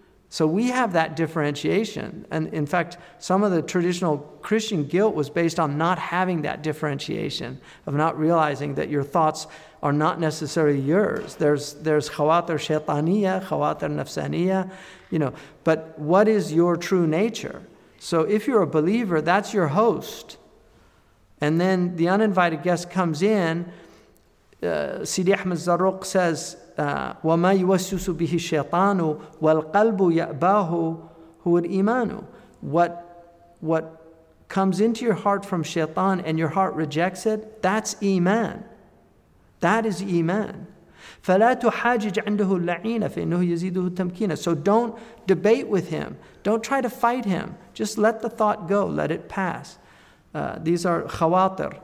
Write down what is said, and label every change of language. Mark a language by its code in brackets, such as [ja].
[en] So we have that differentiation. And in fact, some of the traditional Christian guilt was based on not having that differentiation, of not realizing that your thoughts are not necessarily yours. There's khawatir shaitaniya, khawatir nafsaniya, you know. But what is your true nature? So if you're a believer, that's your host. And then the uninvited guest comes in. Sidi Ahmed Zarruq says, [ar] وَمَا يُوَسْوِسُ بِهِ الشَّيْطَانُ وَالْقَلْبُ يَأْبَاهُ هُوَ الْإِيمَانُ. [en] What comes into your heart from shaitan and your heart rejects it, that's iman. That is iman. [ar] فَلَا تُحَاجِجْ عَنْدُهُ اللَّعِينَ فَإِنُّهُ يَزِيدُهُ التَّمْكِينَ. [en] So don't debate with him. Don't try to fight him. Just let the thought go. Let it pass. These are khawatir.